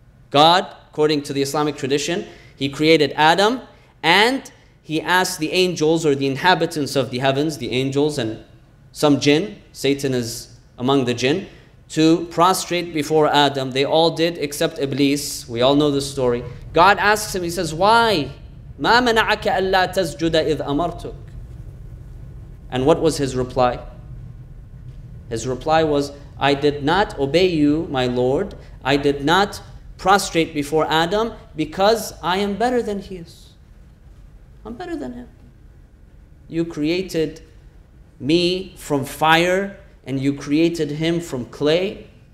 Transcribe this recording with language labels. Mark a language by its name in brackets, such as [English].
[English] God, according to the Islamic tradition, he created Adam, and he asked the angels, or the inhabitants of the heavens, the angels and some jinn, Satan is among the jinn, to prostrate before Adam. They all did, except Iblis. We all know the story. God asks him, he says, why? [Arabic] مَا مَنَعَكَ أَلَّا تَسْجُدَ إِذْ أَمَرْتُكَ. [English] And what was his reply? His reply was, I did not obey you, my Lord. I did not prostrate before Adam because I am better than he is. I'm better than him. You created me from fire, and you created him from clay.